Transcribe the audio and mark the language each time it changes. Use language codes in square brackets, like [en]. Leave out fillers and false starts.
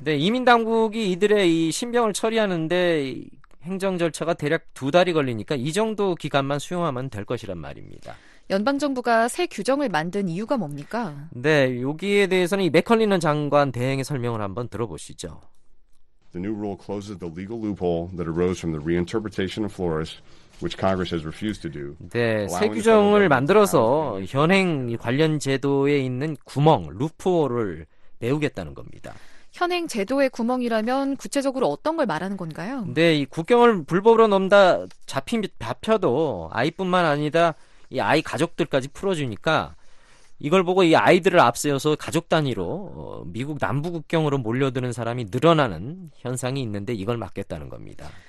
[ko] 네, 이민 당국이 이들의 이 신병을 처리하는데 행정 절차가 대략 두 달이 걸리니까 이 정도 기간만 수용하면 될 것이란 말입니다. 연방 정부가 새 규정을 만든 이유가 뭡니까? 네, 여기에 대해서는 이 맥컬리넌 장관 대행의 설명을 한번 들어보시죠. [en] The new rule closes the legal loophole that arose from the reinterpretation of Flores, which Congress has refused to do. [ko] 네, 새 규정을 만들어서 현행 관련 제도에 있는 구멍, 루프홀을 메우겠다는 겁니다. 현행 제도의 구멍이라면 구체적으로 어떤 걸 말하는 건가요? 네, 이 국경을 불법으로 넘다 잡혀도 아이뿐만 아니라 이 아이 가족들까지 풀어주니까 이걸 보고 이 아이들을 앞세워서 가족 단위로 미국 남부 국경으로 몰려드는 사람이 늘어나는 현상이 있는데 이걸 막겠다는 겁니다.